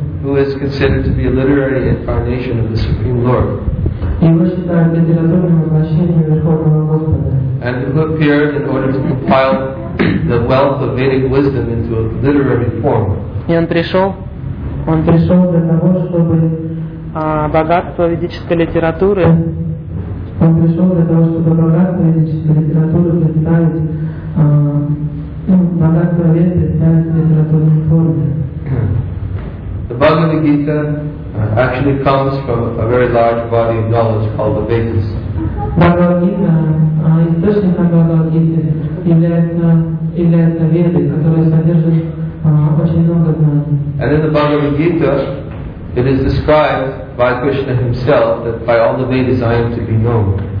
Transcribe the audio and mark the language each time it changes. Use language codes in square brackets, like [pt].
[en] who is considered to be a literary incarnation of the Supreme Lord, and who appeared in order to compile the wealth of Vedic wisdom into a literary form. [ru] Он пришел для того, чтобы богатство ведической литературы. Он пришел для того, чтобы богатство ведической литературы представить, богатство ведь представить в литературной форме. [en] The Bhagavad Gita actually comes from a very large body of knowledge called the Vedas. [ru] Bhagavad Gita, источник Bhagavad Gita является Веды, которые содержат [en] And in the Bhagavad Gita, it is described by Krishna himself that by all the Vedas I am to be known.